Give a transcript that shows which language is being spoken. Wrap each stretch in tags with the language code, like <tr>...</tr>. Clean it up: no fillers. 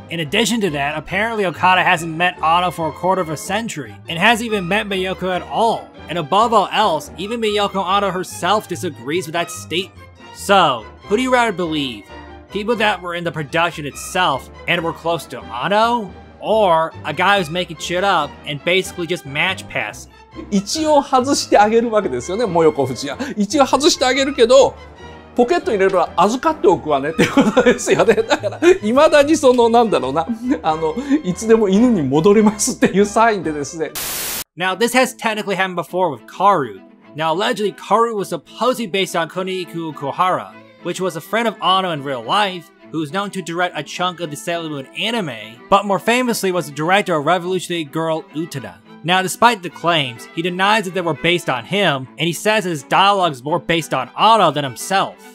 <en>In addition to that, apparently Okada hasn't met Anno for a quarter of a century, and hasn't even met Miyoko at all. And above all else, even Miyoko Anno herself disagrees with that statement. So, who do you rather believe? People that were in the production itself and were close to Anno? Or, a guy who's making shit up and basically just match passing.</en> <ja>一応外してあげるわけですよね、もよこ夫人は。一応外してあげるけど、ポケット入れるのは預かっておくわねっていうことですよね。だから、未だにその、なんだろうな、いつでも犬に戻れますっていうサインでですね。</ja> <en>Now, this has technically happened before with Karu. Now, allegedly, Karu was supposedly based on Kuniku Kuhara, which was a friend of Anno in real life,who is known to direct a chunk of the Sailor Moon anime, but more famously was the director of Revolutionary Girl Utada. Now, despite the claims, he denies that they were based on him, and he says his dialogue is more based on Anno than himself.</en>